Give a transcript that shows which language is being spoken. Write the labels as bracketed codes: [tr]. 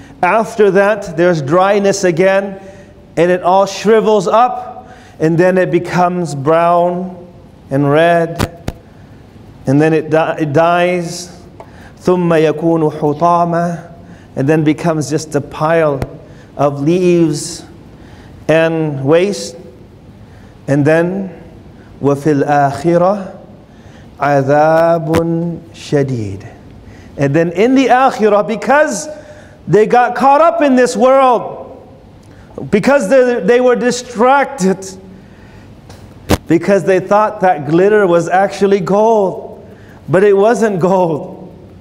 [en] After that, there's dryness again and it all shrivels up and then it becomes brown and red and then it dies. [ar] ثُمَّ يَكُونُ حُطَامًا. [en] And then becomes just a pile of leaves and waste. And then, [ar] وَفِي الْآخِرَةِ عَذَابٌ شَدِيدٌ. [en] And then in the Akhirah, because they got caught up in this world, because they were distracted, because they thought that glitter was actually gold, but it wasn't gold.